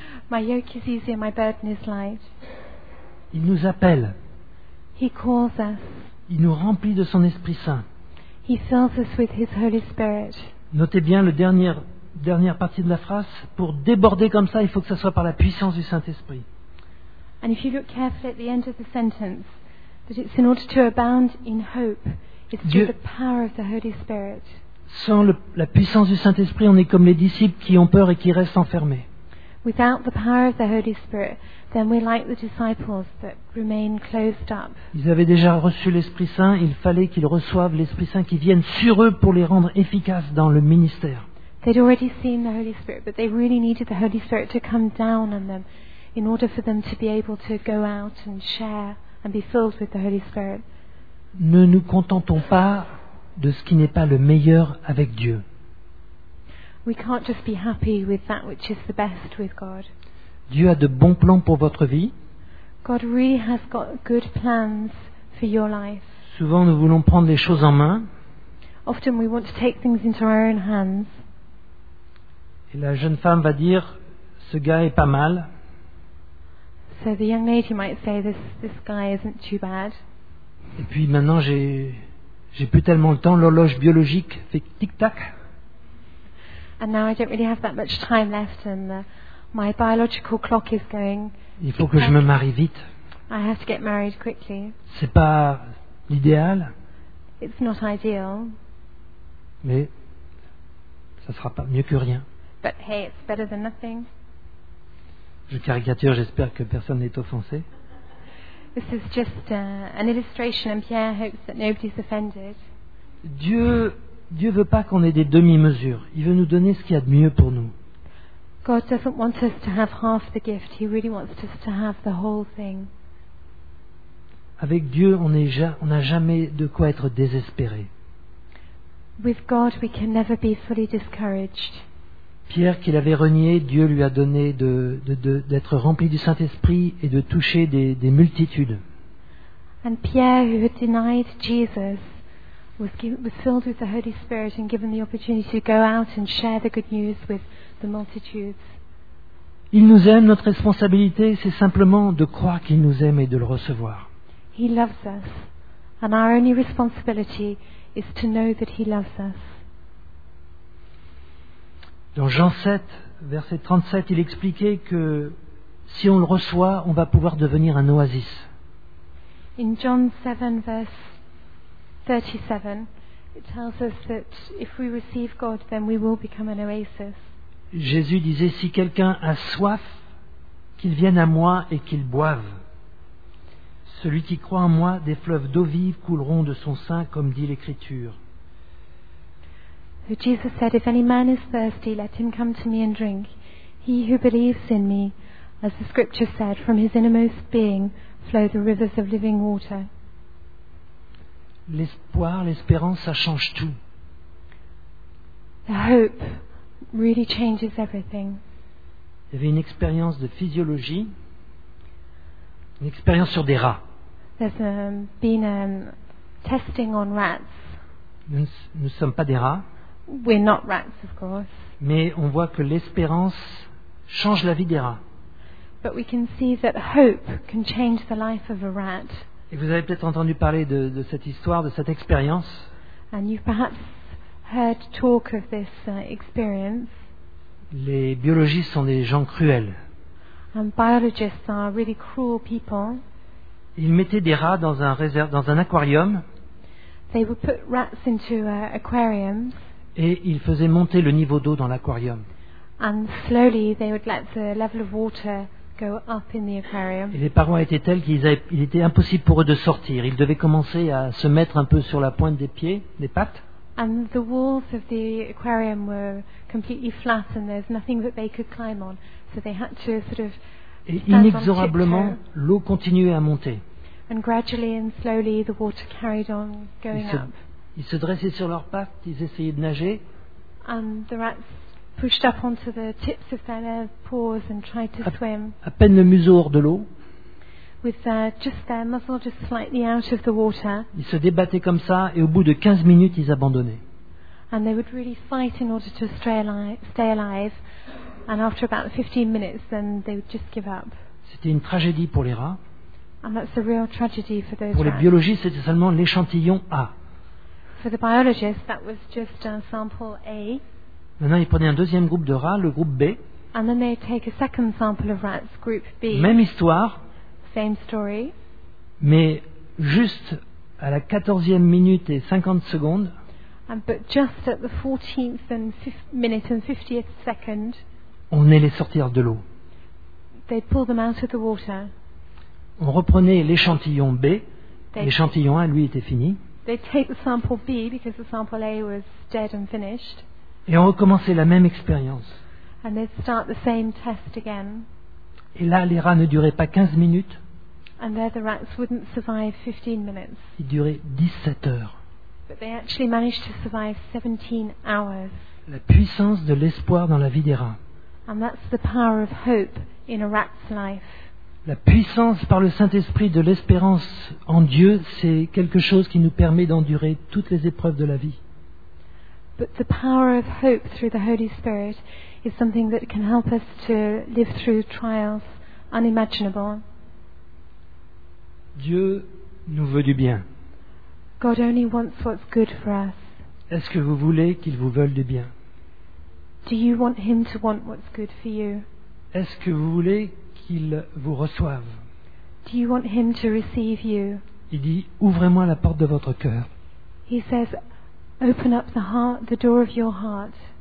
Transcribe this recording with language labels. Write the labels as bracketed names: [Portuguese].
[English] My yoke is easy, my burden is light. [French] Il nous appelle. [English] He calls us. [French] Il nous remplit de son Esprit Saint. [English] He fills us with his Holy Spirit. [French] Notez bien le dernière partie de la phrase. Pour déborder comme ça, il faut que ça soit par la puissance du Saint-Esprit. [English] And if you look carefully at the end of the sentence, that it's in order to abound in hope, it's through the power of the Holy Spirit. [French] Sans la puissance du Saint-Esprit, on est comme les disciples qui ont peur et qui restent enfermés. [English] Without the power of the Holy Spirit, then we're like the disciples that remain closed up. [French] Ils avaient déjà reçu l'Esprit Saint, il fallait qu'ils reçoivent l'Esprit Saint qui vienne sur eux pour les rendre efficaces dans le ministère. [English] They'd already seen the Holy Spirit, but they really needed the Holy Spirit to come down on them in order for them to be able to go out and share and be filled with the Holy Spirit. [French] Ne nous contentons pas de ce qui n'est pas le meilleur avec Dieu. [English] We can't just be happy with that which is the best with God. [French] Dieu a de bons plans pour votre vie. [English] God really has got good plans for your life. [French] Souvent nous voulons prendre les choses en main. [English] Often we want to take things into our own hands. [French] Et la jeune femme va dire, ce gars est pas mal. [English] So the young lady might say, this guy isn't too bad. [French] Et puis maintenant j'ai plus tellement le temps, l'horloge biologique fait tic-tac. [English] And now I don't really have that much time left, and my biological clock is going. [French] Il faut que je me marie vite. [English] I have to get married quickly. [French] C'est pas l'idéal. [English] It's not ideal. [French] Mais ça sera pas mieux que rien. [English] But hey, it's better than nothing. [French] Je caricature, j'espère que personne n'est offensé. [English] This is just an illustration, and Pierre hopes that nobody's offended. [French] Dieu veut pas qu'on ait des demi-mesures. Il veut nous donner ce qu'il y a de mieux pour nous. [English] God doesn't want us to have half the gift. He really wants us to have the whole thing. [French] Avec Dieu, on n'a jamais de quoi être désespéré. [English] With God, we can never be fully discouraged. [French] Pierre, qu'il avait renié, Dieu lui a donné d'être rempli du Saint-Esprit et de toucher des multitudes. [English] And Pierre, who had denied Jesus, was filled with the Holy Spirit and given the opportunity to go out and share the good news with the multitudes. [French] Il nous aime, notre responsabilité, c'est simplement de croire qu'il nous aime et de le recevoir. [English] He loves us, and our only responsibility is to know that he loves us. [French] Dans Jean 7, verset 37, il expliquait que si on le reçoit, on va pouvoir devenir un oasis. [English] In John 7, verse 37, it tells us that if we receive God, then we will become an oasis. [French] Jésus disait, si quelqu'un a soif, qu'il vienne à moi et qu'il boive. Celui qui croit en moi, des fleuves d'eau vive couleront de son sein, comme dit l'Écriture. [English] So Jesus said, if any man is thirsty, let him come to me and drink. He who believes in me, as the scripture said, from his innermost being flow the rivers of living water. [French] L'espoir, l'espérance, ça change tout. [English] The hope really changes everything. [French] Il y avait une expérience de physiologie, une expérience sur des rats. [English] There's been a testing on rats. [French] Nous ne sommes pas des rats. [English] We're not rats, of course. [French] Mais on voit que l'espérance change la vie des rats. [English] But we can see that hope can change the life of a rat. [French] Et vous avez peut-être entendu parler de cette histoire, de cette expérience. [English] And you've perhaps heard talk of this experience. [French] Les biologistes sont des gens cruels. [English] And biologists are really cruel people. [French] Ils mettaient des rats dans un aquarium. [English] They would put rats into aquariums. [French] Et il faisait monter le niveau d'eau dans l'aquarium. [English] And slowly they would let the level of water go up in the aquarium. [French] Et les parois étaient telles qu'il était impossible pour eux de sortir. Ils devaient commencer à se mettre un peu sur la pointe des pieds, des pattes. [English] And the walls of the aquarium were completely flat and there's nothing that they could climb on. So they had to sort of [French] Et inexorablement, l'eau continuait à monter. [English] And gradually and slowly the water carried on going up. [French] Ils se dressaient sur leurs pattes, ils essayaient de nager. [English] And the rats pushed up onto the tips of their paws and tried to swim. [French] À peine le museau hors de l'eau. [English] With just their muzzle just slightly out of the water. [French] Ils se débattaient comme ça et au bout de 15 minutes, ils abandonnaient. [English] And they would really fight in order to stay alive. And after about 15 minutes, then they would just give up. [French] C'était une tragédie pour les rats. [English] And that's a real tragedy for those rats. [French] Pour les biologistes, c'était seulement l'échantillon A. [English] For the biologist, that was just a sample A. [French] Maintenant, ils prenaient un deuxième groupe de rats, le groupe B. [English] And then they take a second sample of rats, group B. [French] Même histoire. [English] Same story. [French] Mais juste à la 14e minute et 50 secondes. [English] And but just at the 14th and minute and 50th second. [French] On allait sortir de l'eau. [English] They pulled them out of the water. [French] On reprenait l'échantillon B. L'échantillon A, lui, était fini. [English] They take the sample B because the sample A was dead and finished. [French] Et on recommençait la même expérience. [English] And they'd start the same test again. [French] Et là, les rats ne duraient pas 15 minutes. [English] And there the rats wouldn't survive 15 minutes. [French] Ils duraient 17 heures. [English] But they actually managed to survive 17 hours. [French] La puissance de l'espoir dans la vie des rats. [English] And that's the power of hope in a rat's life. [French] La puissance par le Saint-Esprit de l'espérance en Dieu, c'est quelque chose qui nous permet d'endurer toutes les épreuves de la vie. [English] But the power of hope through the Holy Spirit is something that can help us to live through trials unimaginable. [French] Dieu nous veut du bien. [English] God only wants what's good for us. [French] Est-ce que vous voulez qu'il vous veuille du bien? [English] Do you want him to want what's good for you? [French] Est-ce que vous voulez qu'il vous reçoive? [English] Do you want him to receive you? [French] Il dit, ouvrez-moi la porte de votre cœur. [English] He says, open up the heart, the door of your heart.